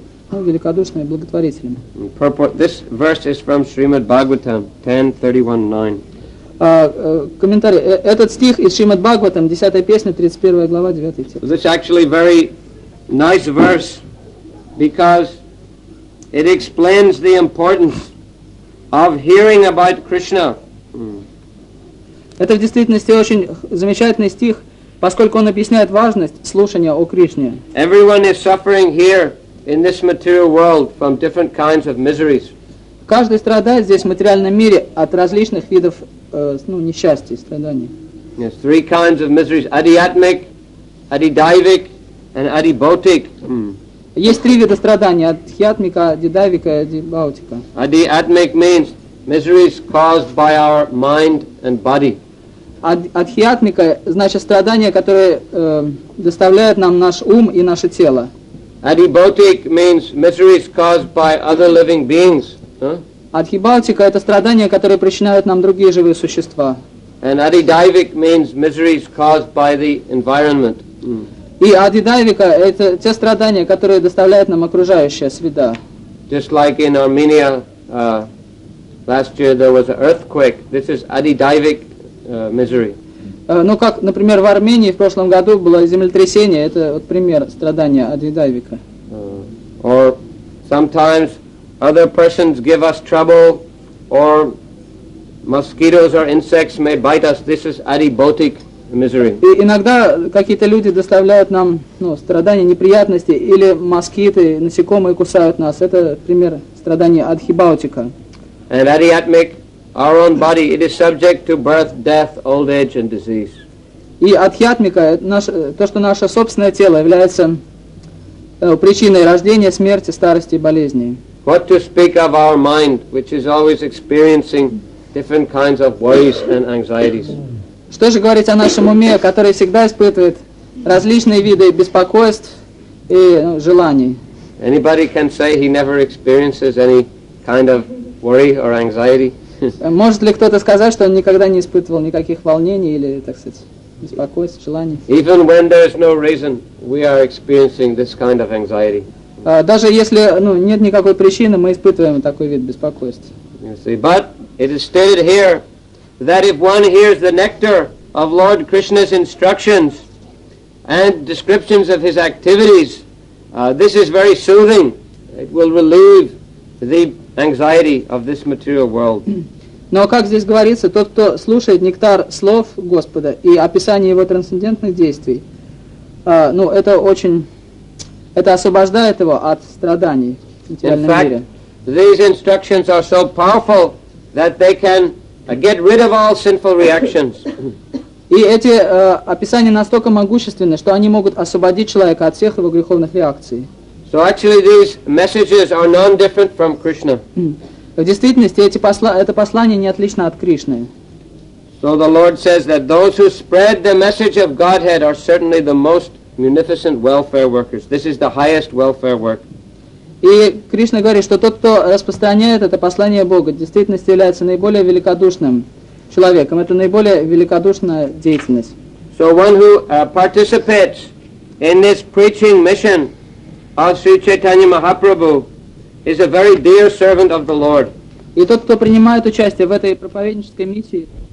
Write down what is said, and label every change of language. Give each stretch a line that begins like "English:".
Russian: Великодушными благотворителями.
English: This verse is from Srimad Bhagavatam 10.31.9.
Russian: Комментарий. Этот стих из Шримад Бхагаватам, 10 песня, 31 глава, 9 текст.
English: This is actually a very nice verse, because it explains the importance of hearing about Krishna.
Russian: Это в действительности очень замечательный стих, поскольку он объясняет важность слушания о Кришне.
English: Everyone is suffering here in this material world from different kinds of miseries.
Russian: Каждый страдает здесь в материальном мире от различных видов несчастья, страдания.
English: Yes, three kinds of miseries: adiatmic, adidaivic, and adibhautic.
Russian: Есть три вида страдания: адхиатмика, адидаивика и адибхаутика.
English: Adiatmic means miseries caused by our mind and body.
Russian: Адхиатмика значит страдания, которые доставляют нам наш ум и наше тело.
English: Adibhautic means miseries caused by other living beings.
Russian: Адхибалтика — это страдания, которые причиняют нам другие живые существа.
English: And adidaivic means miseries caused by the environment.
Russian: И адидаивика — это те страдания, которые доставляет нам окружающая среда.
English: Just like in Armenia, last year there was an earthquake. This is adidaivic misery.
Russian: Как, например, в Армении в прошлом году было землетрясение. Это вот пример страдания адидаивика.
English: Or sometimes other persons give us trouble, or mosquitoes or insects may bite us. This is adibhautic misery.
Russian: Иногда какие-то люди доставляют нам страдания, неприятности, или москиты, насекомые кусают нас. Это пример страдания адхибаутика.
English: And adiatmic, our own body, it is subject to birth, death, old age, and disease.
Russian: И адхиатмика, то, что наше собственное тело является причиной рождения, смерти, старости и болезни.
English: What to speak of our mind, which is always experiencing different kinds of worries and anxieties.
Russian: Что же говорить о нашем уме, который всегда испытывает различные виды беспокойств и желаний?
English: Anybody can say he never experiences any kind of worry or anxiety?
Russian: Может ли кто-то сказать, что он никогда не испытывал никаких волнений или, так сказать, беспокойств, желаний?
English: Even when there is no reason, we are experiencing this kind of anxiety.
Russian: Даже если, ну, нет никакой причины, мы испытываем такой вид беспокойств.
English: You see, but it is stated here that if one hears the nectar of Lord Krishna's instructions and descriptions of his activities, this is very soothing. It will relieve the anxiety of this material world.
Russian: Но как здесь говорится, тот, кто слушает нектар слов Господа и описание его трансцендентных действий, ну, это очень, это освобождает его от страданий в материальном мире.
English: In fact, these instructions are so powerful that they can get rid of all sinful reactions.
Russian: И эти описания настолько могущественны, что они могут освободить человека от всех его греховных реакций.
English: So actually these messages are none different from Krishna.
Russian: В действительности эти это послание не отлично от Кришны.
English: So the Lord says that those who spread the message of Godhead are certainly the most munificent welfare workers. This is the highest welfare work.
Russian: И Кришна говорит, что тот, кто распространяет это послание Бога, в действительности является наиболее великодушным человеком. Это наиболее великодушная деятельность.
English: So one who participates in this preaching mission of Sri Chaitanya Mahaprabhu is a very dear servant of the Lord.
Russian: И тот, кто принимает участие в этой проповеднической миссии,